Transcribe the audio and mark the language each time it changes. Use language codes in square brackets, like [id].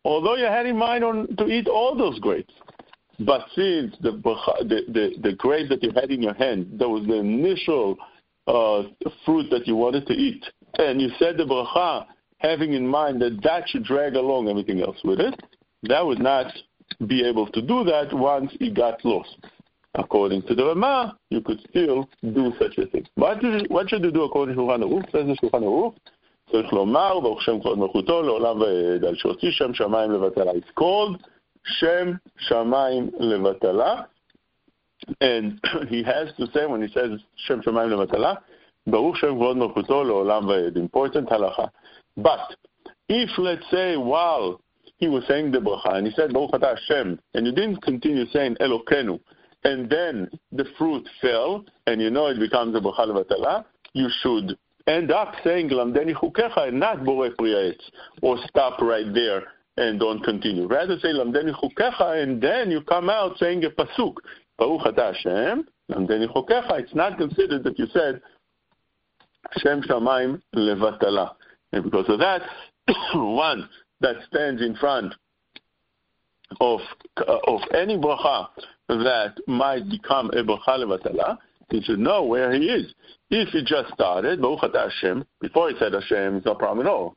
[en] Although you had in mind to eat all those grapes. But since the grape that you had in your hand, that was the initial fruit that you wanted to eat, and you said the bracha, having in mind that should drag along everything else with it, that would not be able to do that once it got lost. According to the Rama, you could still do such a thing. What should you do according to Shulchan Aruch? Says the Shulchan Aruch, [he] צריך לומר, ברוך שם כבוד מלכותו, לעולם ועל שהוציא שם שמיים לבטלה. [en] It's called שם שמיים לבטלה. And he has to say, when he says שם שמיים לבטלה, [he] ברוך שם כבוד מלכותו לעולם ועד, [en] important הלכה. But if, let's say, while he was saying the bracha, and he said, ברוך אתה השם, and you didn't continue saying אלוקנו, and then the fruit fell, and you know it becomes a bracha לבטלה, you should end up saying למדני חוקיך, and not בורא פרי העץ, or stop right there and don't continue. Rather say למדני חוקיך, and then you come out saying a pasuk, [he] ברוך אתה השם, למדני חוקיך. [en] It's not considered that you said שם שמיים לבטלה. And because of that, one that stands in front of any bracha that might become a bracha levatala, he should know where he is. If it just started, Baruch Atah Hashem, before he said Hashem, it's no problem at all.